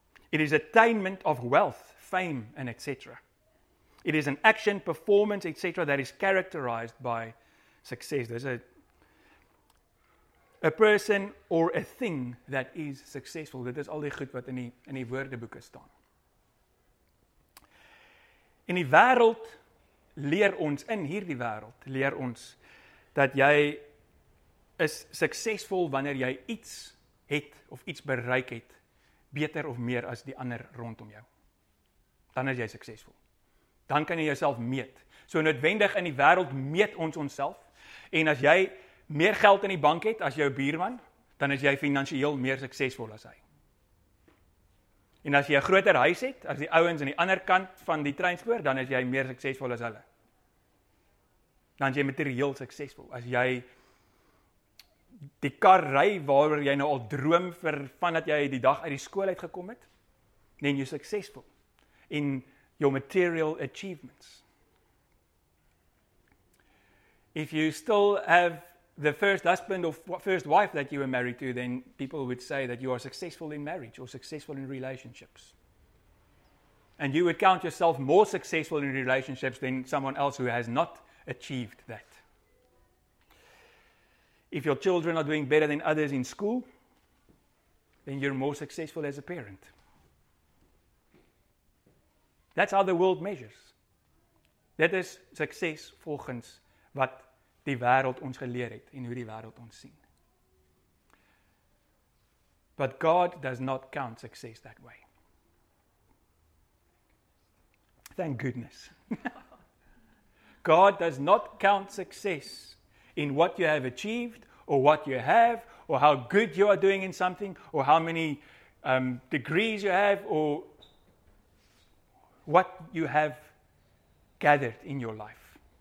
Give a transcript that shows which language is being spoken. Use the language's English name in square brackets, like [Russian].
[English] It is attainment of wealth, fame, and etc. It is an action, performance, etc. that is characterized by success. There's a person or a thing that is successful. [Afrikaans] Dit is al die goed wat in die woordeboeke staan. In die wêreld leer ons, in hierdie wêreld leer ons, dat jy is suksesvol wanneer jy iets het of iets bereik het, beter of meer as die ander rondom jou. Dan is jy suksesvol. Dan kan jy jouself meet. So noodwendig in die wêreld meet ons onsself, en as jy meer geld in die bank het as jou buurman, dan is jy finansieel meer suksesvol as hy. En as jy 'n groter huis het, as die ouens aan die ander kant van die treinspoor, dan is jy meer suksesvol as hulle. Dan is jy materieel suksesvol. As jy die kar ry waaroor jy nou al droom vir vandat jy die dag uit die skool uit gekom het, [English] then you're successful in your material achievements. If you still have the first husband or first wife that you were married to, then people would say that you are successful in marriage or successful in relationships. And you would count yourself more successful in relationships than someone else who has not achieved that. If your children are doing better than others in school, then you're more successful as a parent. That's how the world measures. That is success [Afrikaans] volgens wat die wêreld ons geleer het en hoe die wêreld ons sien. [English] But God does not count success that way. Thank goodness. God does not count success in what you have achieved or what you have or how good you are doing in something or how many degrees you have or what you have gathered in your life.